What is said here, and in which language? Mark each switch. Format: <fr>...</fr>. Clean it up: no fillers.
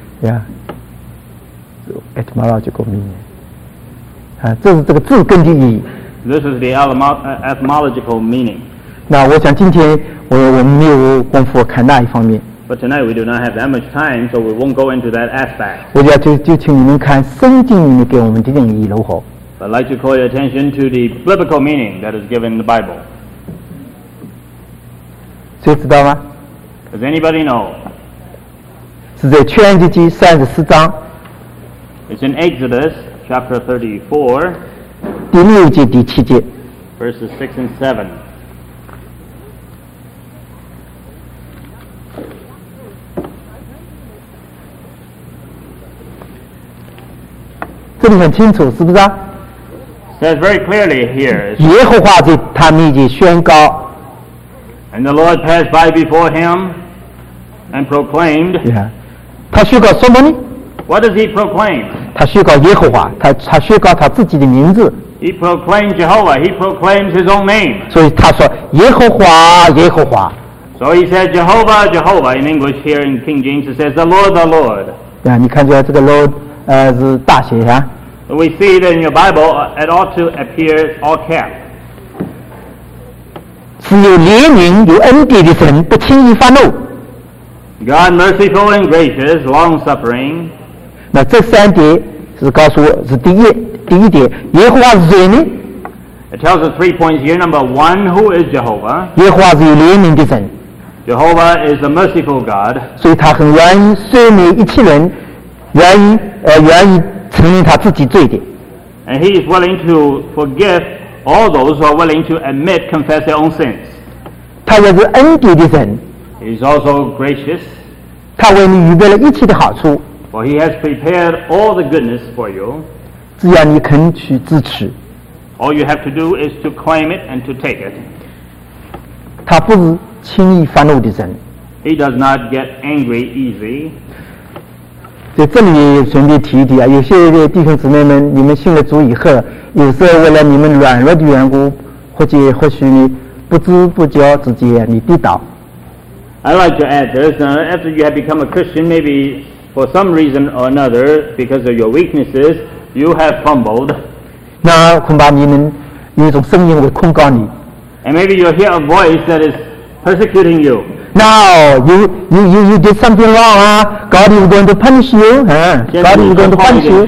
<en>Yeah, etymological meaning.</en> <zh>这是这个字根的意义。</zh> <en>This is the etymological meaning.</en> <zh>那我想今天我没有功夫看那一方面。</zh> <en>But tonight we do not have that much time, so we won't go into that aspect.</en> <zh>我就要就请你们看圣经里面给我们的定义如何。</zh> <en>I'd like to call your attention to the biblical meaning that is given in the Bible.</en> <zh>谁知道吗？</zh> <en>Does anybody know?</en> <zh>是在出埃及记三十四章。</zh> <en>It's in Exodus. Chapter 34,</en> <zh>第六节第七节</zh> <en>verses 6 and 7. This is very clear, isn't it? Says very clearly here.</en> <zh>耶和华在他面前宣告</zh> <en>And the Lord passed by before him and proclaimed.</en> <zh>Yeah. 他宣告什么呢？</zh> <en>What does he proclaim?</en> <zh>他宣告耶和华 他宣告他自己的名字</zh> <en>He proclaimed Jehovah He proclaims his own name</en> <zh>所以他说耶和华耶和华</zh> <en>So he said Jehovah Jehovah In English here in King James It says the Lord the Lord</en> <zh>啊，你看出来这个 Lord 是大写啊</zh> <en>We see that in your Bible It ought to appear all cap</en> <zh>只有怜悯有恩典的神不轻易发怒</zh> <en>God merciful and gracious Long suffering</en> <zh>那这三点是告诉我是第一点耶和华是谁呢</zh> <en>It tells us three points here Number one, who is Jehovah?</en> <zh>耶和华是有怜悯的神</zh> <en>Jehovah is a merciful God</en> <zh>所以他很愿意赦免一切人愿意承认他自己罪的</zh> <en>And he is willing to forgive all those who are willing to admit, confess their own sins</en> <zh>他也是恩典的神</zh> <en>He is also gracious</en> <zh>他为你预备了一切的好处</zh> <en>For he has prepared all the goodness for you.</en> <zh>只要你肯去支持。</zh> <en>All you have to do is to claim it and to take it.</en> <zh>他不是轻易发怒的人。</zh> <en>He does not get angry easy.</en> <zh>在这里顺便提一提啊，有些弟兄姊妹们，你们信了主以后，有时候为了你们软弱的缘故，或许你不知不觉之间你跌倒。</zh> <en>I'd like to add this. After you have become a Christian, maybe. For some reason or another, because of your weaknesses, you have fumbled.</en> <zh>那恐怕你们有一种声音会控告你。</zh> <en>And maybe you hear a voice that is persecuting you. No, you did something wrong. God is going to punish you. God is going to punish you.</en>